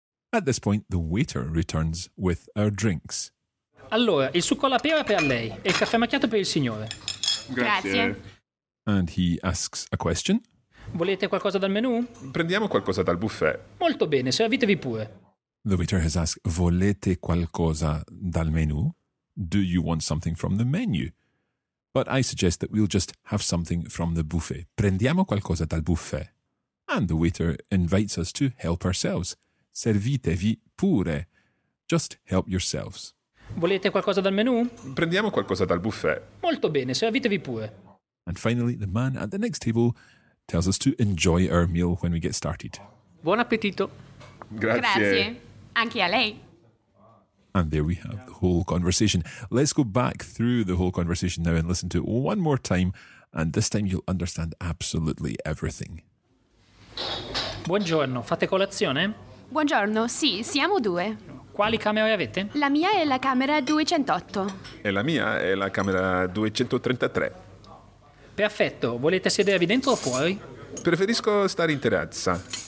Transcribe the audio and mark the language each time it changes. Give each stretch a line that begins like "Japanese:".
English: At this point, the waiter returns with our drinks.
Italian: Allora, il succo alla pera per lei e il caffè macchiato per il signore. Grazie.
English: And he asks a question.
Italian: Volete qualcosa dal menù? Prendiamo qualcosa dal buffet. Molto bene, servitevi pure.
English: The waiter has asked,
Italian: volete qualcosa dal menù?
English: Do you want something from the menu? But I suggest that we'll just have something from the buffet.
Italian: Prendiamo qualcosa dal buffet.
English: And the waiter invites us to help ourselves.
Italian: Servitevi pure.
English: Just help yourselves.
Italian: Volete qualcosa dal menù? Prendiamo qualcosa dal buffet. Molto bene, servitevi pure.
English: And finally, the man at the next table tells us to enjoy our meal when we get started.
Italian: Buon appetito. Grazie. Grazie. Anche a lei.
English: And there we have the whole conversation. Let's go back through the whole conversation now and listen to it one more time. And this time you'll understand absolutely everything.
Italian: Buongiorno, fate colazione? Buongiorno, sì, siamo due. Quali camere avete? La mia è la camera 208. E la mia è la camera 233. Perfetto, volete sedervi dentro o fuori? Preferisco stare in terrazza.